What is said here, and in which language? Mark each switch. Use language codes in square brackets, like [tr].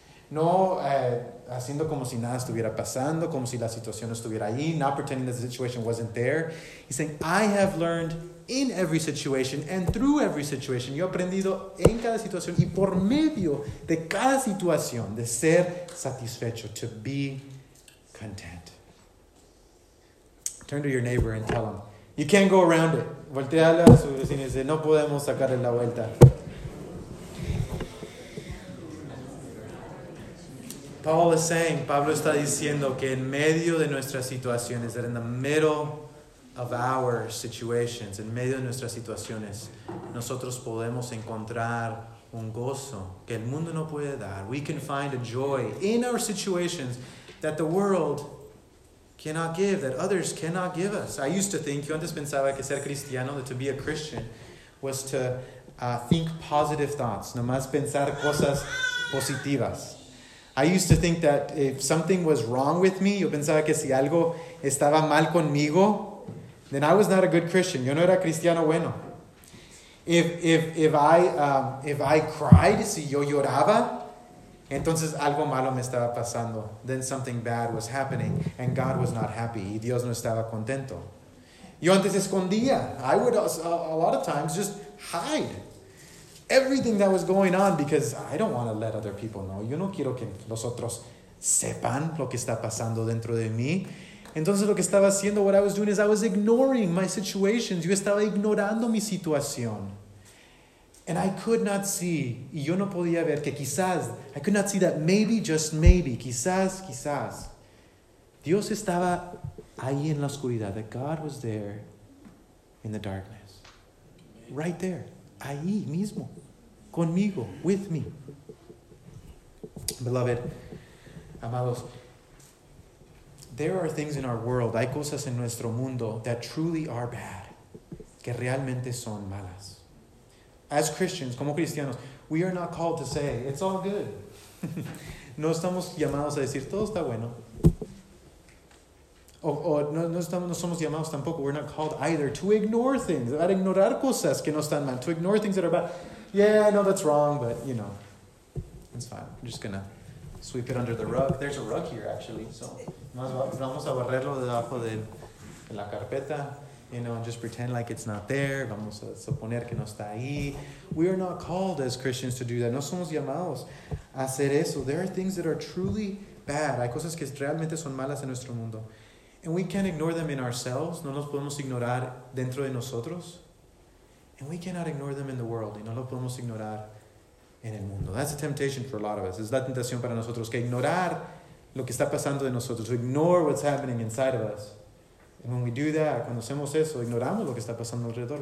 [es] No haciendo como si nada estuviera pasando, como si la situación no estuviera ahí. [en] Not pretending that the situation wasn't there. He's saying, I have learned in every situation and through every situation. [es] Yo he aprendido en cada situación y por medio de cada situación de ser satisfecho, [en] to be content. Turn to your neighbor and tell him, you can't go around it. [es] Volteale a su vecino y dice, no podemos sacarle la vuelta. [en] Paul is saying, [es] Pablo está diciendo que en medio de nuestras situaciones, [en] that in the middle of our situations, [es] en medio de nuestras situaciones, nosotros podemos encontrar un gozo que el mundo no puede dar. [en] We can find a joy in our situations that the world cannot give, that others cannot give us. I used to think, [es] yo antes pensaba que ser cristiano, [en] to be a Christian, was to think positive thoughts, [es] nomás pensar cosas positivas. [en] I used to think that if something was wrong with me, [es] yo pensaba que si algo estaba mal conmigo, [en] then I was not a good Christian. [es] Yo no era cristiano bueno. [en] If I cried, [es] si yo lloraba, entonces algo malo me estaba pasando. [en] Then something bad was happening and God was not happy. [es] Y Dios no estaba contento. Yo antes escondía. [en] I would a lot of times just hide everything that was going on because I don't want to let other people know. [es] Yo no quiero que los otros sepan lo que está pasando dentro de mí. Entonces lo que estaba haciendo, [en] what I was doing is I was ignoring my situations. [es] Yo estaba ignorando mi situación. [en] And I could not see, [es] y yo no podía ver que quizás, [en] I could not see that maybe, just maybe, [es] quizás, quizás. Dios estaba ahí en la oscuridad, [en] that God was there in the darkness. Right there, [es] ahí mismo, conmigo, [en] with me. Beloved, [es] amados, [en] there are things in our world, [es] hay cosas en nuestro mundo [en] that truly are bad, [es] que realmente son malas. [en] As Christians, [es] como cristianos, [en] we are not called to say, it's all good. [es] No estamos llamados a decir, todo está bueno. No somos llamados tampoco, [en] we're not called either to ignore things, [es] a ignorar cosas que no están mal, [en] to ignore things that are bad. Yeah, I know that's wrong, but you know, it's fine. I'm just going to sweep it under the rug. There's a rug here, actually, so [es] vamos a barrerlo debajo de la carpeta, [en] you know, and just pretend like it's not there. [es] Vamos a suponer que no está ahí. [en] We are not called as Christians to do that. [es] No somos llamados a hacer eso. [en] There are things that are truly bad. [es] Hay cosas que realmente son malas en nuestro mundo. [en] And we can't ignore them in ourselves. [es] No los podemos ignorar dentro de nosotros. [en] And we cannot ignore them in the world. [es] Y no los podemos ignorar en el mundo. [en] That's a temptation for a lot of us. [es] Es la tentación para nosotros que ignorar lo que está pasando de nosotros. [en] To ignore what's happening inside of us. And when we do that, [es] cuando hacemos eso, ignoramos lo que está pasando alrededor.